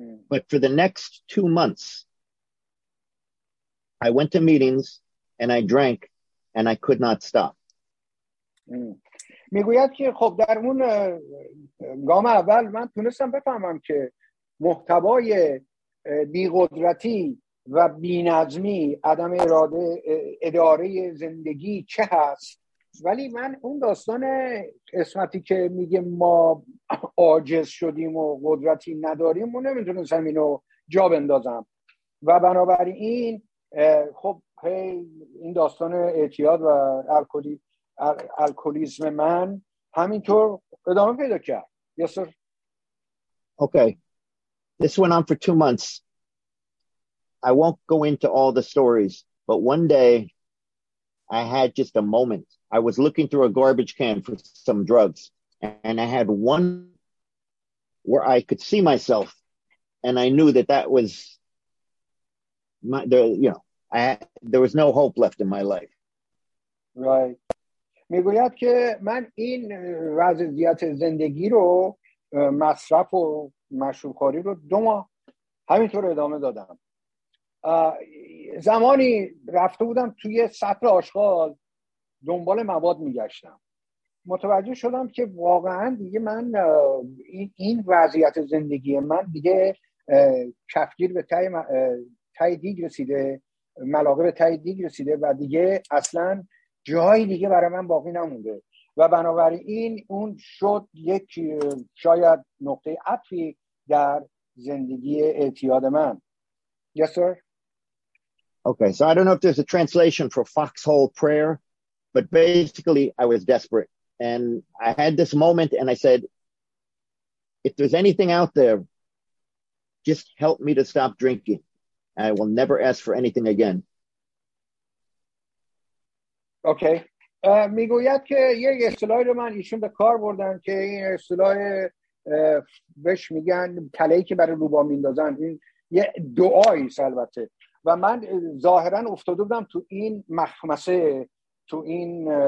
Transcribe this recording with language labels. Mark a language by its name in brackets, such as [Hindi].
[English] But for the next 2 months, I went to meetings and I drank and I could not stop. [Persian] میگوید که خب در اون گام اول من تونستم بفهمم که محتوای بیقدرتی و بی‌نظمی، عدم اراده، اداره زندگی چه هست. ولی من اون داستان قسمتی که میگه ما عاجز شدیم و قدرتی نداریم و نمیتونستم اینو جا بندازم و بنابراین خب این داستان اعتیاد و الکلیزم من همینطور ادامه پیدا کرد. [English] Yes, sir. Okay. This went on for 2 months. I won't go into all the stories, but one day I had just a moment. I was looking through a garbage can for some drugs, and I had one where I could see myself, and I knew that that was my, the, you know, I, there was no hope left in my life. Right. [Persian] میگوید که من این وضعیت زندگی رو مصرف و مشروب‌خواری رو 2 ماه همینطور ادامه دادم. زمانی رفته بودم توی سطل آشغال دنبال مواد میگشتم. متوجه شدم که واقعا دیگه من این وضعیت زندگی من دیگه کفگیر به تای دیگ رسیده، ملاقه به تای دیگ رسیده و دیگه اصلاً جایی دیگه برای من باقی نمونده و بنابراین اون شد یک شاید نقطه عطفی در زندگی اعتیاد من. [English] Yes, sir. Okay, so I don't know if there's a translation for foxhole prayer, but basically I was desperate and I had this moment and I said, if there's anything out there, just help me to stop drinking. I will never ask for anything again. [Persian] اوکی میگوید که یک اصطلاحی رو من ایشون به کار بردن که این اصطلاح بهش میگن کلهی که برای روبا میندازن، این یه دعایی البته و من ظاهرا افتاده بودم تو این مخمسه، تو این